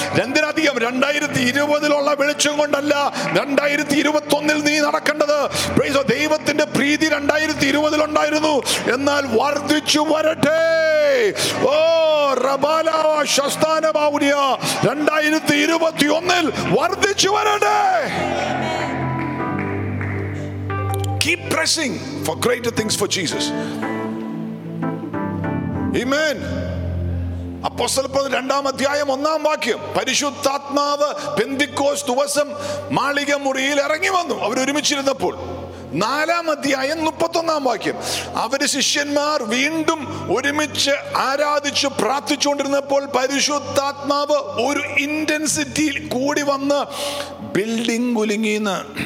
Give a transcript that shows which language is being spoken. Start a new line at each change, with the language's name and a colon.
Malayalam: എന്തിനധികം 2020-ലുള്ള വെളിച്ചം കൊണ്ടല്ല 2021 നീ നടക്കേണ്ടത്. ദൈവത്തിന്റെ പ്രീതി 2020 ഉണ്ടായിരുന്നു, എന്നാൽ വർദ്ധിച്ചു വരട്ടെ. ഓ റബാലാവ ശസ്താന ബാവുനിയ, 2021 വർദ്ധിച്ചു വരട്ടെ.
English: Keep pressing for greater things for Jesus. Amen.
Malayalam: അപ്പോസ്തലപ്പ് 2:1 പരിശുദ്ധാത്മാവ് പെന്തിക്കോസ് ദിവസം മാളിക മുറിയിൽ ഇറങ്ങി വന്നു അവരൊരുമിച്ചിരുന്നപ്പോൾ. 4:31 അവര് ശിഷ്യന്മാർ വീണ്ടും ഒരുമിച്ച് ആരാധിച്ച് പ്രാർത്ഥിച്ചുകൊണ്ടിരുന്നപ്പോൾ പരിശുദ്ധാത്മാവ് ഒരു ഇന്റൻസിറ്റിയിൽ കൂടി വന്ന് ബിൽഡിംഗ് കുലുങ്ങിന്ന്.